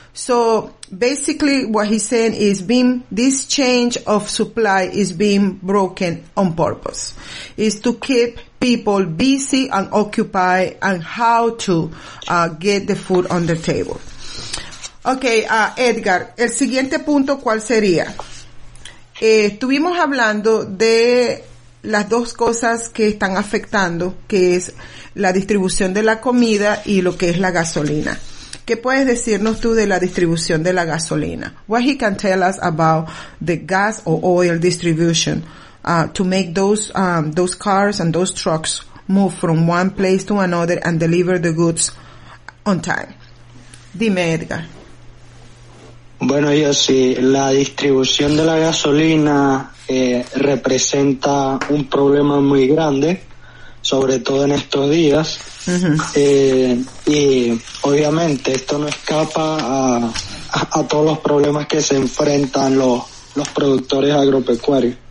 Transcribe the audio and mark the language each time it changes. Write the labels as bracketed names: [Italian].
[English] So basically what he's saying is being this change of supply is being broken on purpose, is to keep people busy and occupied and how to get the food on the table. [Spanish] Okay, Edgar, el siguiente punto, ¿cuál sería? Estuvimos hablando de las dos cosas que están afectando, que es la distribución de la comida y lo que es la gasolina. ¿Qué puedes decirnos tú de la distribución de la gasolina? [English] What he can tell us about the gas or oil distribution to make those cars and those trucks move from one place to another and deliver the goods on time. [Spanish] Dime, Edgar. Bueno, yo sí, la distribución de la gasolina representa un problema muy grande, sobre todo en estos días. Uh-huh. Y obviamente esto no escapa a todos los problemas que se enfrentan los productores agropecuarios.